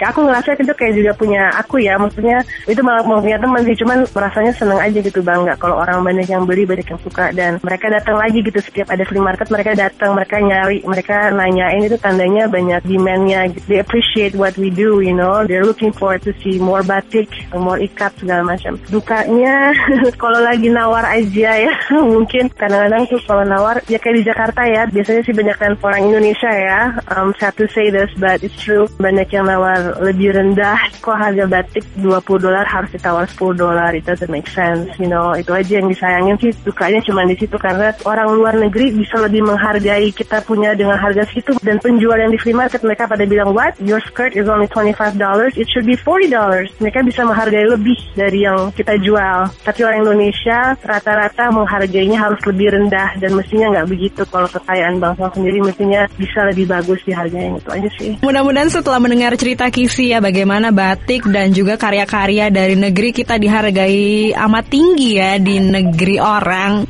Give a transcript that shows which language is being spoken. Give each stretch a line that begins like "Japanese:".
Indonesian: Aku ngerasa itu kayak juga punya aku ya, maksudnya itu malah punya teman sih, cuman rasanya senang aja gitu, bangga kalau orang banyak yang beli, banyak yang suka, dan mereka datang lagi gitu. Setiap ada flea market mereka datang, mereka nyari, mereka nanyain, itu tandanya banyak demandnya.
English: They appreciate what we do, you know, they're looking forward to see more batik, more ikat segala macam.
Indonesian: Dukanya kalau lagi nawar aja ya, mungkin kadang-kadang tuh kalau nawar ya kayak di Jakarta ya, biasanya sih banyak kan orang Indonesia ya,
English: sad to say this but it's true,
Indonesian: banyak yang nawar lebih rendah. Kok harga batik $20 harus ditawar $10, itu
English: doesn't make sense, you know.
Indonesian: Itu aja yang disayangin sih, dukanya cuma di situ, karena orang luar negeri bisa lebih menghargai kita punya dengan harga situ. Dan penjual yang di flea market mereka pada bilang,
English: what, you your skirt is only $25, it should be $40.
Indonesian: Mereka bisa menghargai lebih dari yang kita jual. Tapi orang Indonesia rata-rata menghargainya harus lebih rendah, dan mestinya nggak begitu. Kalau kekayaan bangsa sendiri mestinya bisa lebih bagus dihargainya, itu aja sih. Mudah-mudahan setelah mendengar cerita Kisi ya, bagaimana batik dan juga karya-karya dari negeri kita dihargai amat tinggi ya di negeri orang.